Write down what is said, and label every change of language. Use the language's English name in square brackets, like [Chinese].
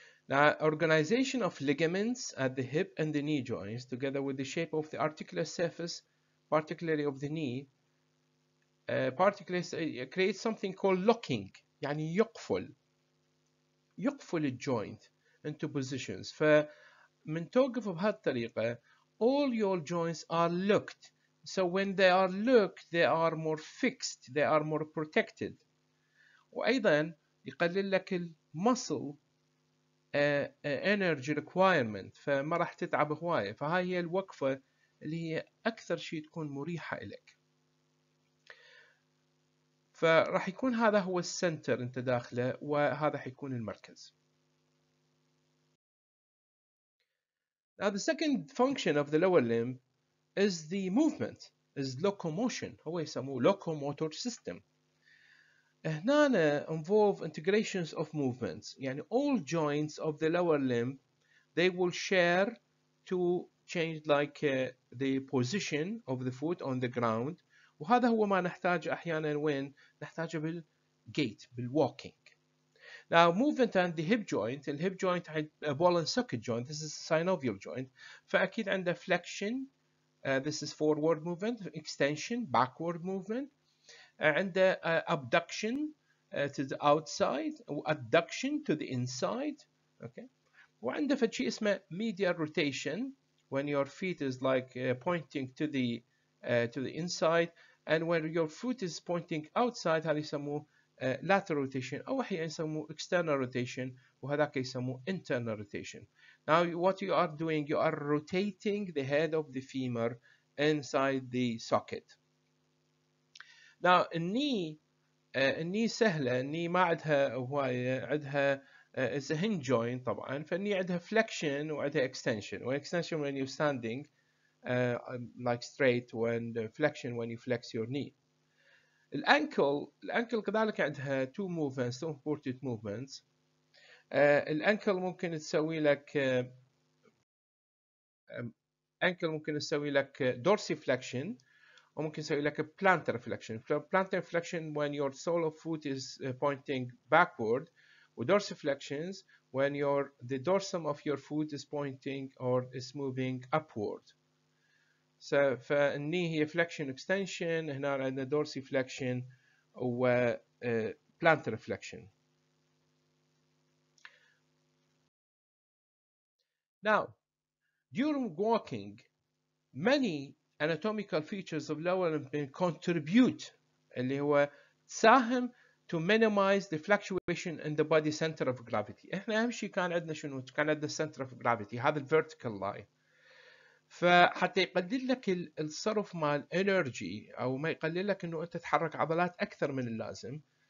[English] Now, organization of ligaments at the hip and the knee joints, together with the shape of the articular surface, particularly of the knee, creates something called locking, [Arabic] يعني يقفل. يقفل الجوينت [English] into positions. [Arabic] فمن توقف بهالطريقة, [English] all your joints are locked. So when they are locked, they are more fixed, they are more protected. [Arabic] وأيضا يقلل لك المصل [English] energy requirement, [Arabic] فما راح تتعب هواية. فهاي هي الوقفة اللي هي أكثر شيء تكون مريحة إليك. فراح يكون هذا هو السنتر أنت داخله, وهذا حيكون المركز. [English] Now the second function of the lower limb is the movement, is locomotion. [Arabic] هو يسموه [English] locomotor system. هنا involve integrations of movements. يعني all joints of the lower limb, they will share to change like the position of the foot on the ground. [Arabic] وهذا هو ما نحتاج أحيانا وين نحتاج بالgait, بالwalking. [English] Now movement and the hip joint. The hip joint a ball and socket joint. This is a synovial joint. [Arabic] فأكيد عنده flexion. [English] This is forward movement. Extension, backward movement. And the abduction to the outside, or adduction to the inside, okay? [Arabic] وعنده فشي اسمه [English] medial rotation, when your feet is like pointing to the inside, and when your foot is pointing outside, هذا يسموه lateral rotation, أو أحيانا يسموه external rotation, وهذاك يسموه internal rotation. Now, what you are doing, you are rotating the head of the femur inside the socket. [Arabic] Now, النّي سهلة, النّي ما عدها هواية, عدها [English] is a hinge joint [Arabic] طبعاً, فالنّي عدها flexion وعدها extension. [English] When extension when you're standing, like straight, and flexion when you flex your knee. [Arabic] الأنكل كذلك عندها [English] two movements, two important movements. [Arabic] الأنكل ممكن تسوي لك, أنكل ممكن تسوي لك dorsiflexion. [English] Or we can say like a plantar flexion. Plantar flexion when your sole of foot is pointing backward, or dorsiflexions when your the dorsum of your foot is pointing or is moving upward. So for knee flexion extension, here and the dorsiflexion or plantar flexion. Now, during walking, many anatomical features of lower limb contribute, [Arabic] اللي هو تساهم [English] to minimize the fluctuation in the body center of gravity. [Arabic] احنا اهم شيء كان عندنا [English] شنو؟ كان عندنا center of gravity, هذا vertical line. [Arabic] فحتى يقلل لك الصرف مال انرجي او ما يقلل لك انه انت تحرك عضلات اكثر من اللازم.